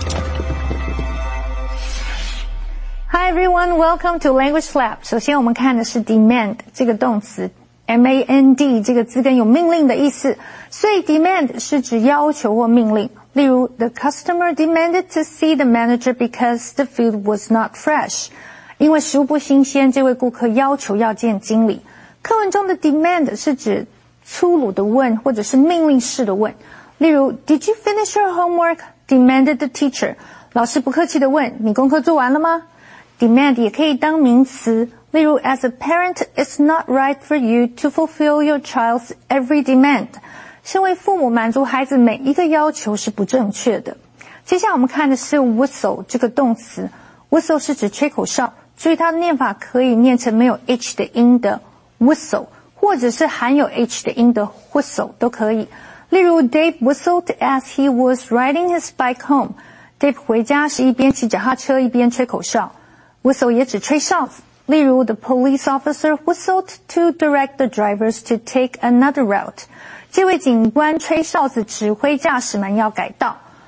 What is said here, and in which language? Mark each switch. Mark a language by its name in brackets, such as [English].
[English] Hi everyone, welcome to Language Lab. [Chinese] 首先我们看的是 demand 这个动词。MAND 这个字根有命令的意思，所以 demand 是指要求或命令。例如 [English] ,the customer demanded to see the manager because the food was not fresh. [Chinese] 因为食物不新鲜，这位顾客要求要见经理。课文中的 demand 是指粗鲁的问或者是命令式的问。例如 [English] ,did you finish your homework? Demanded the teacher. [Chinese] 老师不客气地问你功课做完了吗？ Demand 也可以当名词。例如 [English] ,as a parent, it's not right for you to fulfill your child's every demand. [Chinese] 身为父母满足孩子每一个要求是不正确的。接下来我们看的是 whistle 这个动词。whistle 是指吹口哨，注意它的念法可以念成没有 h 的音的 whistle, 或者是含有 h 的音的 whistle 都可以。例如 [English] Dave whistled as he was riding his bike home. [Chinese] Dave 回家是一边骑脚踏车一边吹口哨。whistle 也指吹哨子。 [English] 例如 the police officer whistled to direct the drivers to take another route. [Chinese] 这位警官吹哨子指挥驾驶们要改道。